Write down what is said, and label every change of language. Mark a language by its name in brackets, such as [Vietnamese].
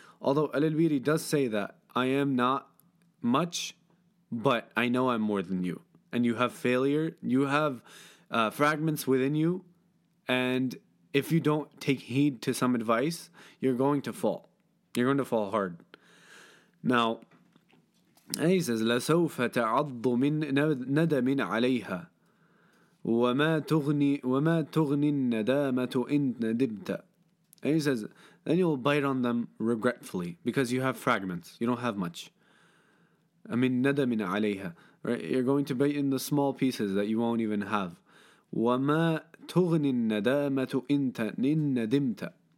[English] Although Al-Ilbiri does say that I am not much, but I know I'm more than you. And you have failure. You have fragments within you. And if you don't take heed to some advice, you're going to fall. You're going to fall hard. Now, he says, [Arabic] لَسَوْفَ تَعَضُّ مِنْ نَدَمٍ عَلَيْهَا وَمَا تُغْنِي النَّدَامَةُ إِنْ نَدِبْتَ. [English] And he says, then you'll bite on them regretfully because you have fragments. You don't have much. I mean, [Arabic] ندمٍ عليها. [English] Right? You're going to bite in the small pieces that you won't even have. [Arabic] وَمَا تُغْنِي النَّدَامَةُ إِنْ نَدِمْتَ.